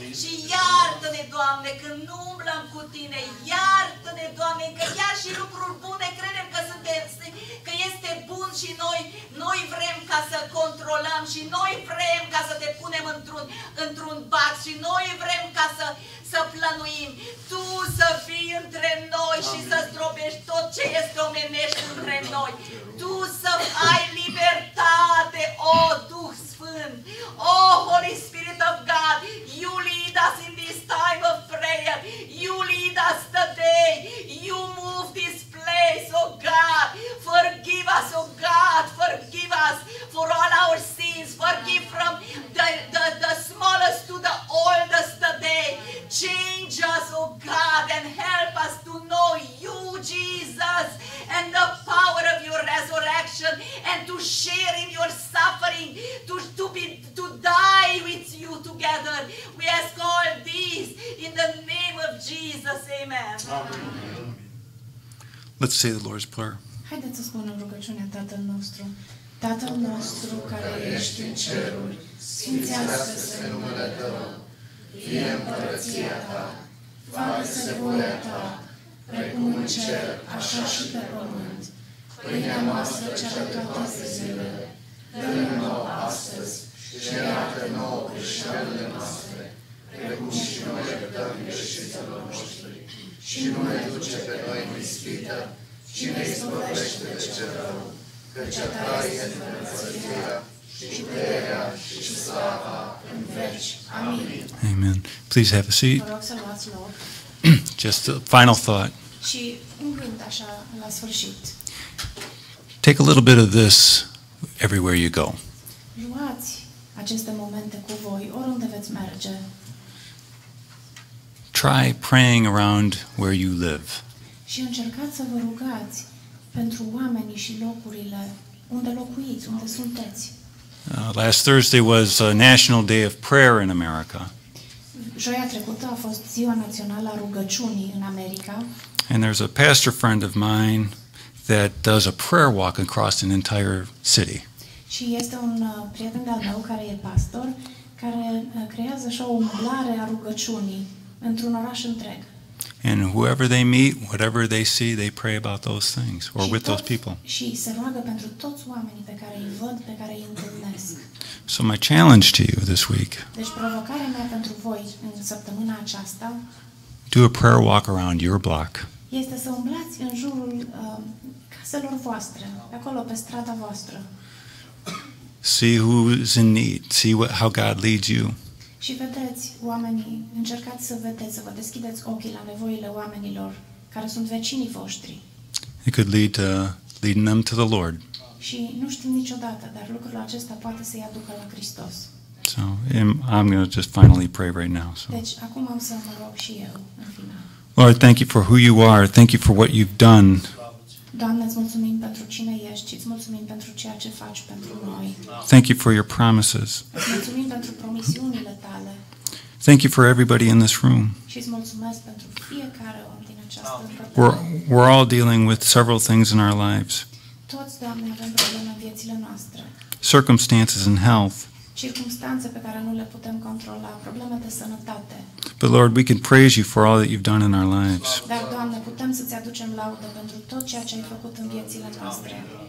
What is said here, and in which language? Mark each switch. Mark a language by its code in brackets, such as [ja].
[ro] Și iartă-ne, Doamne, că nu umblăm cu Tine. Iartă-ne, Doamne, că iar și lucruri bune credem că este bun și noi, noi vrem ca să controlăm și noi vrem ca să te punem într-un bac și noi vrem ca să plănuim. Tu să fii între noi și să zdrobești tot ce este omenești între noi. Tu să ai libertate, o Duh Sfânt, [en] o Holy Spirit of God, you lead us in this time of prayer, you lead us today, you move this place, oh God, forgive us, oh God, forgive us for all our sins, forgive from the smallest to the oldest today, change us, oh God, and help us to know you, Jesus, and the power of your resurrection, and to share in your suffering, to die with you together. We ask all this in the name of Jesus, amen. Let's say the Lord's Prayer. [ro] Haideți să spunem rugăciunea Tatăl nostru. Tatăl nostru care ești în ceruri, sfințească-se numele Tău, fie împărăția Ta, facă-se voia Ta, precum în cer, așa și pe pământ. Pâinea noastră cea de toate zilele, dă-ne nouă astăzi și iartă nouă greșelile noastre, precum și noi iertăm greșiților noștri. Și nu ne duce pe noi în ispită, ci ne izbăvește de cel rău, căci a Ta este împărăția și puterea și slava în veci. Amin. [en] Amen. Please have a seat. [ro] Vă rog să luați loc. [en] Just a final thought. [ro] Și un gând așa la sfârșit. [en] Take a little bit of this everywhere you go. [ro] Luați aceste momente cu voi oriunde veți merge. [en] Try praying around where you live. [ro] Și încercați să vă rugați pentru oamenii și locurile unde locuiți, unde sunteți. [en] Last Thursday was a National Day of Prayer in America. [ro] Joia trecută a fost Ziua Națională a Rugăciunii în America. [en] And there's a pastor friend of mine that does a prayer walk across an entire city. [ro] Și este un prieten de-al meu care e pastor, care creează așa o umblare a rugăciunii într-un oraș întreg. [en] And whoever they meet, whatever they see, they pray about those things or with those people. [ro] Și se roagă pentru toți oamenii pe care îi văd, pe care îi întâlnesc. [en] So my challenge to you this week. [ro] Deci provocarea mea pentru voi în săptămâna aceasta. [en] Do a prayer walk around your block. [ro] Este să umblați în jurul caselor voastre, acolo pe strada voastră. [en] See who's in need. See how God leads you. [ro] Și vedeți oamenii, încercați să vedeți, să vă deschideți ochii la nevoile oamenilor care sunt vecinii voștri. [en] It could lead to leading them to the Lord. [ro] Și nu știm niciodată, dar lucrul acesta poate să-i aducă la Hristos. [en] So, I'm going to just finally pray right now. So. [ro] Deci, acum am să mă rog și eu, în final. [en] Lord, thank you for who you are. Thank you for what you've done. [ro] Doamne, îți mulțumim pentru cine ești, îți mulțumim pentru ceea ce faci pentru noi. [en] Thank you for your promises. [ro] Îți mulțumim pentru promisiunile tale. [en] Thank you for everybody in this room. [ro] Și îți mulțumesc pentru fiecare om din această împărtășire. [en] We're all dealing with several things in our lives. [ro] Toți, Doamne, avem probleme în viețile noastre. [en] Circumstances and health. [ro] Circumstanțe pe care nu le putem controla, probleme de sănătate. [en] But Lord, we can praise you for all that you've done in our lives. [ro] Dar, Doamne, putem să-ți aducem laudă pentru tot ceea ce ai făcut în viețile noastre.